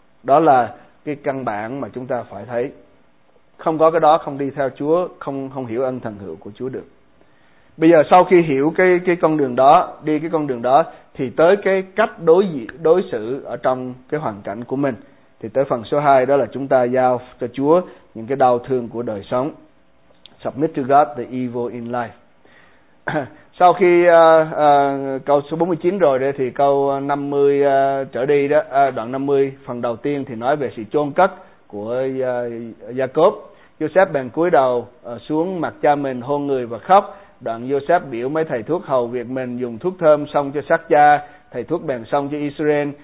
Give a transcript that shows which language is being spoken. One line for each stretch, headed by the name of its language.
Vietnamese: Đó là cái căn bản mà chúng ta phải thấy. Không có cái đó không đi theo Chúa, không hiểu ân thần hữu của Chúa được. Bây giờ sau khi hiểu cái con đường đó, đi cái con đường đó, thì tới cái cách đối xử ở trong cái hoàn cảnh của mình. Thì tới phần số 2, đó là chúng ta giao cho Chúa những cái đau thương của đời sống.
English: Submit to God the evil in life.
Vietnamese: Sau khi câu số 49 rồi đấy, thì câu 50 trở đi đó, đoạn 50 phần đầu tiên thì nói về sự chôn cất của Jacob. Joseph bèn cúi đầu xuống mặt cha mình, hôn người và khóc. Đoạn Joseph biểu mấy thầy thuốc hầu việc mình, dùng thuốc thơm xong cho xác cha, thầy thuốc bèn xong cho Israel.